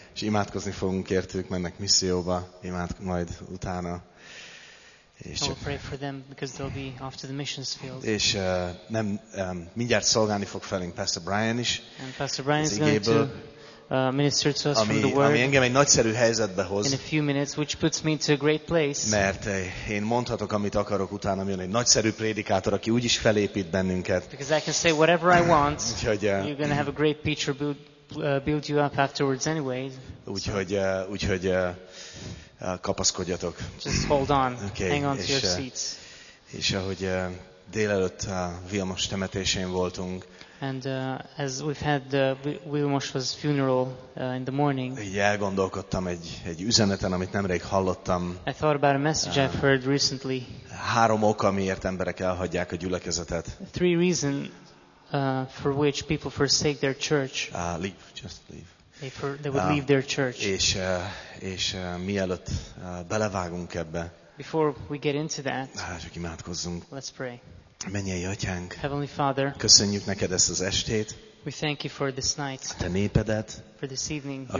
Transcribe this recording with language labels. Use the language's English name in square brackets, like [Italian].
[Hungarian] És imádkozni fogunk értük, mennek misszióba, majd utána. [English] We'll pray for them because they'll be off to the missions field. [Hungarian] És mindjárt szolgálni fog felünk Pastor Brian is. [English] And Pastor Brian is going to minister to us from the word. [Hungarian] Ami engem egy nagyszerű helyzetbe hoz. [English] In a few minutes, which puts me into a great place. [Hungarian] Mert én mondhatok, amit akarok utána, mi egy nagyszerű prédikátor, aki úgy is felépít bennünket. [English] Because I can say whatever I want. You're going to have a great preacher build you up afterwards anyway. [Hungarian] Úgyhogy kapaszkodjatok. [English] Just hold on. Okay. Hang on to your seats. [Hungarian] És ahogy délelőtt Vilmos temetésén voltunk. [English] And as we've had Vilmos's funeral in the morning. [Hungarian] Így elgondolkodtam egy üzeneten, amit nemrég hallottam. [English] I thought about a message I've heard recently. [Hungarian] Három ok, amiért emberek elhagyják a gyülekezetet. [English] Three reasons for which people forsake their church. Leave. They would leave their church. [Hungarian] És mielőtt belevágunk ebbe, [English] before we get into that, [Hungarian] csak imádkozzunk. [English] Let's pray. [Hungarian] Mennyei Atyánk, [English] Heavenly Father, [Hungarian] köszönjük neked ezt az estét. [English] We thank you for this night. [Hungarian] Te népedet, [English] for this evening, your